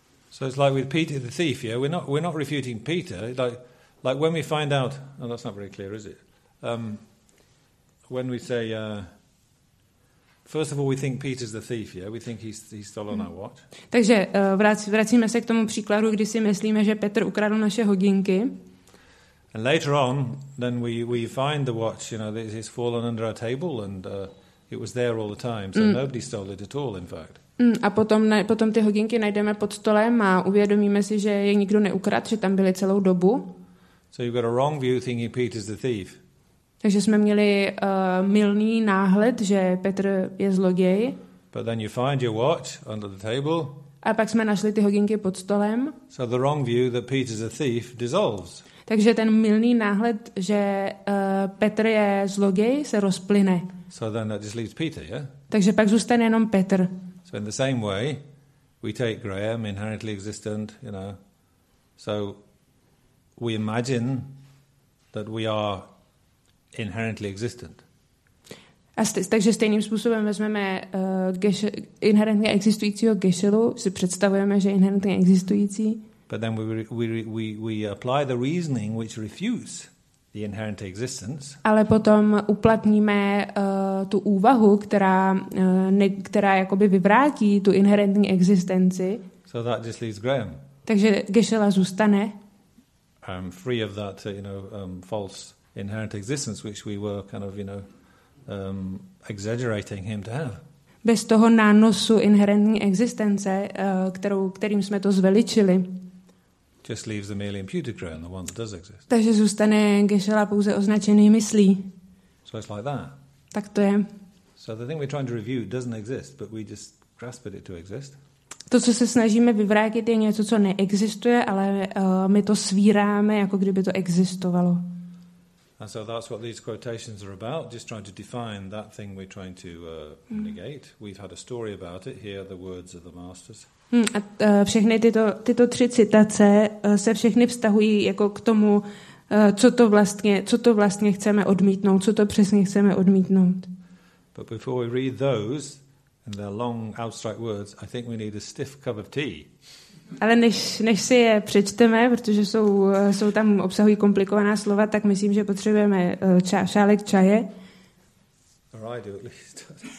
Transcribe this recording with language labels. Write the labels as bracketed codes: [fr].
[en] So it's like with Peter the thief, yeah? We're not refuting Peter, like when we find out, oh, that's not very clear, is it? When we say, First of all, we think Peter's the thief, yeah? We think he stole on our watch. [cs] Takže vracíme se k tomu příkladu, kdy si myslíme, že Petr ukradl naše hodinky. [en] And later on, then we find the watch, you know, it's fallen under our table and it was there all the time, so nobody stole it at all, in fact. [cs] A potom ty hodinky najdeme pod stolem a uvědomíme si, že je nikdo neukradl, že tam byly celou dobu. [en] So you've got a wrong view thinking Peter's the thief. [cs] Takže jsme měli mylný náhled, že Petr je zloděj. [en] But then you find your watch under the table. [cs] A pak jsme našli ty hodinky pod stolem. [en] So the wrong view that Peter's a thief dissolves. [cs] Takže ten mylný náhled, že Petr je zloděj, se rozplyne. [en] So then that just leaves Peter, yeah? [cs] Takže pak zůstane jenom Petr. [en] So in the same way, we take Graham inherently existent, you know. So we imagine that we are inherently existent. [cs] Takže stejným způsobem vezmeme inherentně existujícího Geshelu, si představujeme, že je inherentně existující. [en] But then we apply the reasoning which refutes the inherent existence. [cs] Ale potom uplatníme tu úvahu, která jakoby vyvrátí tu inherentní existenci. [en] So that just leaves Graham. [cs] Takže Geshela zůstane. [en] I'm free of that, you know, false inherent existence which we were kind of, you know, exaggerating him to have. [cs] Bez toho nánosu inherentní existence, kterým jsme to zveličili. [en] Just leaves the merely imputed Graham, the one that does exist. [cs] Takže zůstane Geshela pouze označený myslí. [en] So it's like that. [cs] Tak to je. [en] So the thing we're trying to review doesn't exist, but we just grasp at it to exist. [cs] To, co se snažíme vyvrátit, je něco, co neexistuje, ale my to svíráme, jako kdyby to existovalo. [en] And so that's what these quotations are about, just trying to define that thing we're trying to negate. We've had a story about it, here are the words of the masters. [cs] A všechny tyto tři citace se všechny vztahují jako k tomu, co to vlastně chceme odmítnout, co to přesně chceme odmítnout. [en] But before we read those, and their long, abstract words, I think we need a stiff cup of tea. [cs] Ale než si je přečteme, protože jsou tam obsahují komplikovaná slova, tak myslím, že potřebujeme šálek čaje. [en] Or I do at least.